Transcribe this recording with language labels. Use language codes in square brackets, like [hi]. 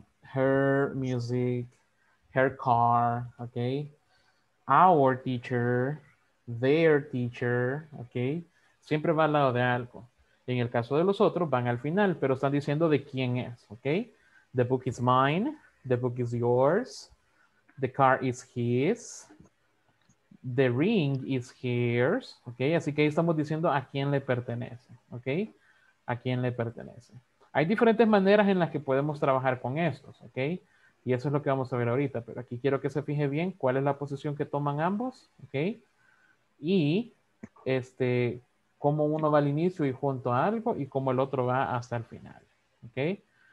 [en] Her music, her car, okay? Our teacher, their teacher, okay? [es] Siempre va al lado de algo. En el caso de los otros, van al final, pero están diciendo de quién es, okay? [en] The book is mine, the book is yours, the car is his, the ring is hers, okay? [es] Así que ahí estamos diciendo a quién le pertenece, okay? A quién le pertenece. Hay diferentes maneras en las que podemos trabajar con estos, okay? Y eso es lo que vamos a ver ahorita, pero aquí quiero que se fije bien cuál es la posición que toman ambos, ¿ok? Y cómo uno va al inicio y junto a algo y cómo el otro va hasta el final, ¿ok?